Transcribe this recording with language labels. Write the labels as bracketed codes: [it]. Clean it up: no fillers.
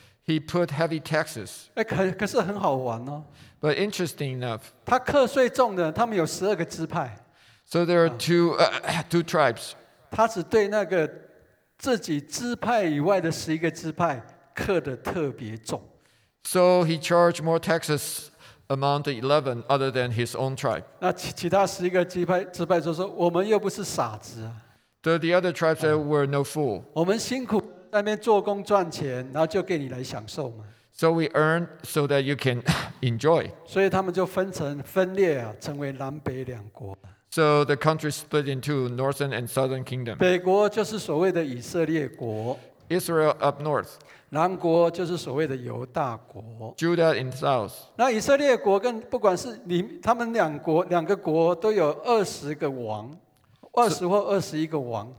[en] He put heavy taxes. [zh] 可是很好玩哦。 [en] But interesting enough. [zh] 他课税重的，他们有十二个支派。 [en] So there are two tribes. [zh] 他只对那个。自己支派以外的十一个支派课得特别重 [en] ，so he charged more taxes among the 11 other than his own tribe. [zh] 那其他十一个支派就说：“我们又不是傻子啊。” [en] The other tribes said, "We're no fool." [zh] 我们辛苦在那边做工赚钱，然后就给你来享受嘛。 [en] So we earn so that you can enjoy. [zh] 所以他们就分裂啊，成为南北两国。 [en] So the country split into northern and southern kingdom. [zh] 北国就是所谓的以色列国。 [en] Israel up north. [zh] 南国就是所谓的犹大国。 [en] Judah in south. [zh] 那以色列国跟不管是你他们两个国都有二十个王，二十或二十一个王。